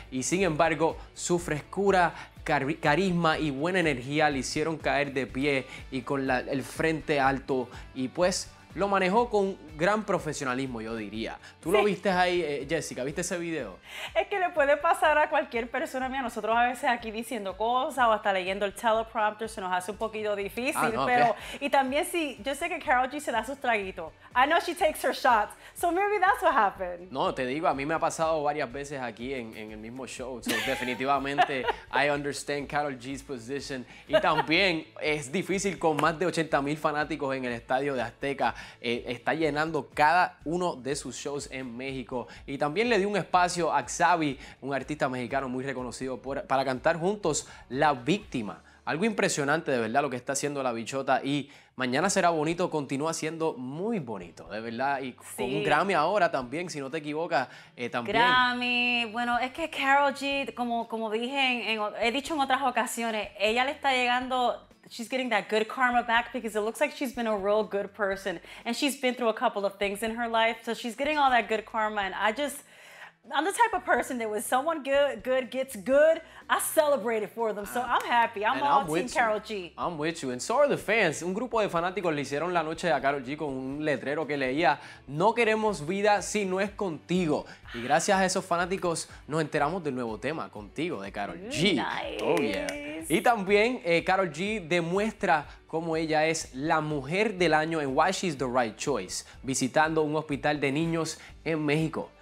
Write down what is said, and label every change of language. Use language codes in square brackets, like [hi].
[es] Y sin embargo, su frescura, carisma y buena energía le hicieron caer de pie y con el frente alto, y pues lo manejó con gran profesionalismo, yo diría. Tú lo viste ahí, Jessica, ¿viste ese video? Es que le puede pasar a cualquier persona. Mira, nosotros a veces aquí diciendo cosas o hasta leyendo el teleprompter se nos hace un poquito difícil, y también sí, yo sé que Karol G se da sus traguitos. [en] I know she takes her shots, so maybe that's what happened. [es] No, te digo, a mí me ha pasado varias veces aquí en el mismo show, so definitivamente [en] I understand Karol G's position. [es] Y también es difícil con más de 80,000 fanáticos en el estadio de Azteca. Está llenando cada uno de sus shows en México. Y también le dio un espacio a Xavi, un artista mexicano muy reconocido, para cantar juntos La Víctima. Algo impresionante, de verdad, lo que está haciendo la bichota. Y Mañana Será Bonito continúa siendo muy bonito, de verdad. Y con un Grammy ahora también, si no te equivocas, también. Grammy. Bueno, es que Karol G, como dije, he dicho en otras ocasiones, ella le está llegando. [en] She's getting that good karma back because it looks like she's been a real good person and she's been through a couple of things in her life. So she's getting all that good karma, and I'm the type of person that when someone good gets good, I celebrate it for them. So I'm happy. I'm all team Karol G. I'm with you. And so are the fans. [es] Un grupo de fanáticos le hicieron la noche a Karol G con un letrero que leía: "No queremos vida si no es contigo". Y gracias a esos fanáticos nos enteramos del nuevo tema, Contigo, de Karol G. [en] Nice. Oh, yeah. [es] Y también Karol G demuestra cómo ella es la mujer del año en Why She's the Right Choice, visitando un hospital de niños en México.